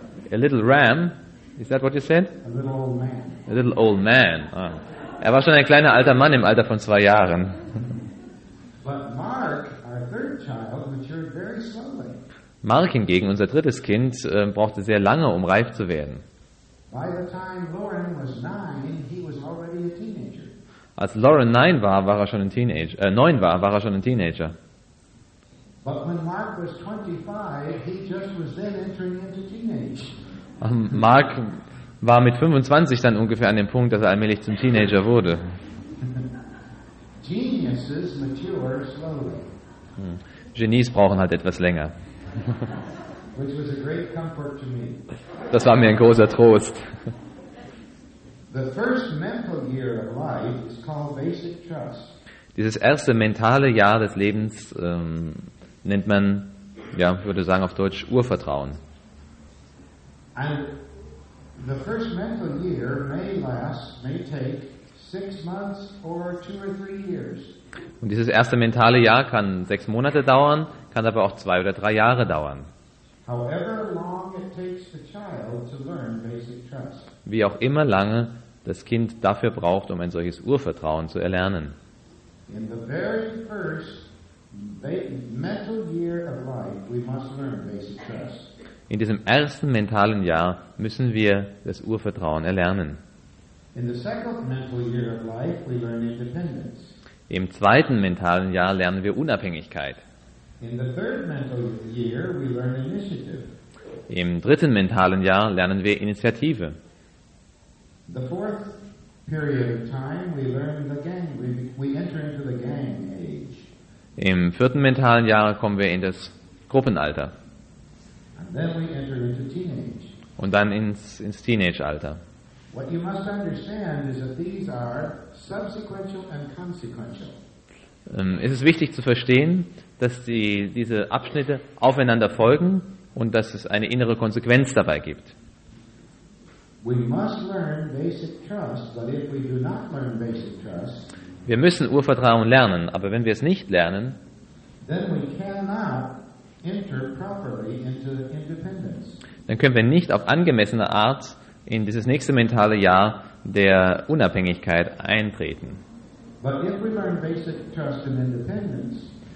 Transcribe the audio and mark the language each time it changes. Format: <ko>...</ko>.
<en>A little ram, is that what you said? A little old man. A little old man. Ah.</en> <de>Er war schon ein kleiner alter Mann im Alter von 2 Jahren.</de> <en>But Mark, our third child, matured very slowly.</en> <de>Mark hingegen, unser drittes Kind, brauchte sehr lange, um reif zu werden.</de> <en>By the time Lauren was 9, he was already a teenager.</en> <de>Als Lauren 9 war er schon ein Teenager. 9 war er schon ein Teenager.</de> <en>But when Mark was 25, he just was then entering into teenage.</en> <de>Mark war mit 25 dann ungefähr an dem Punkt, dass er allmählich zum Teenager wurde.</de> <en>Geniuses mature slowly.</en> <de>Genies brauchen halt etwas länger.</de> <en>Which was a great comfort to me.</en> <de>Das war mir ein großer Trost.</de> <en>The first mental year of life is called basic trust.</en> <de>Dieses erste mentale Jahr des Lebens nennt man, ja, würde sagen auf Deutsch, Urvertrauen.</de> <en>And the first mental year may take 6 months or 2 or 3 years.</en> <de>Und dieses erste mentale Jahr kann 6 Monate dauern, kann aber auch 2 oder 3 Jahre dauern.</de> <en>However long it takes the child to learn basic trust.</en> <de>Wie auch immer lange das Kind dafür braucht, um ein solches Urvertrauen zu erlernen.</de> <en>In the very first mental year of life, we must learn basic trust.</en> <de>In diesem ersten mentalen Jahr müssen wir das Urvertrauen erlernen.</de> <en>In the second mental year of life, we learn independence.</en> <de>Im zweiten mentalen Jahr lernen wir Unabhängigkeit.</de> <en>In the third mental year, we learn initiative.</en> <de>Im dritten mentalen Jahr lernen wir Initiative.</de> <en>The fourth period of time, we learn the gang. We enter into the gang age.</en> <de>Im vierten mentalen Jahr kommen wir in das Gruppenalter.</de> <en>Then we enter into teenage.</en> <de>Und dann ins Teenage-Alter.</de> <en>What you must understand is that these are subsequential and consequential.</en> <de>Es ist wichtig zu verstehen, dass diese Abschnitte aufeinander folgen und dass es eine innere Konsequenz dabei gibt.</de> <en>We must learn basic trust, but if we do not learn basic trust,</en> <de>wir müssen Urvertrauen lernen, aber wenn wir es nicht lernen,</de> <en>then we cannot enter properly into independence.</en> <de>Dann können wir nicht auf angemessene Art in dieses nächste mentale Jahr der Unabhängigkeit eintreten.</de> <en>But if we learn basic trust and independence,</en>